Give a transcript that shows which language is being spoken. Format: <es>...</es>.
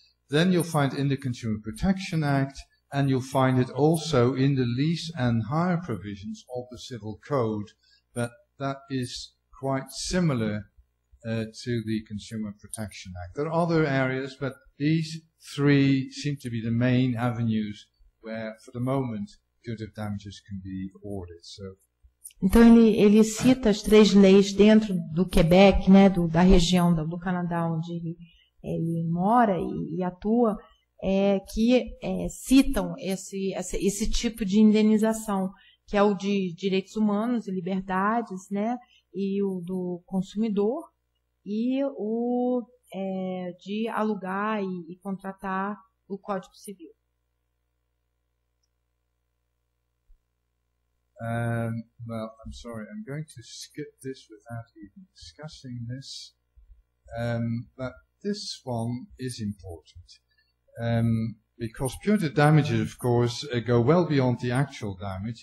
<en>Then you'll find in the Consumer Protection Act, and you'll find it also in the lease and hire provisions of the Civil Code, but that is quite similar to the Consumer Protection Act. There are other areas, but these three seem to be the main avenues where, for the moment, punitive damages can be awarded. So,</en> <pt>então, ele cita as três leis dentro do Quebec, né, da região do Canadá onde ele mora e atua, que citam esse tipo de indenização, que é o de direitos humanos e liberdades, né, e o do consumidor, e o de alugar e contratar o Código Civil.</pt> <en>I'm sorry, I'm going to skip this without even discussing this, but this one is important, because punitive damages, of course, go well beyond the actual damage.</en>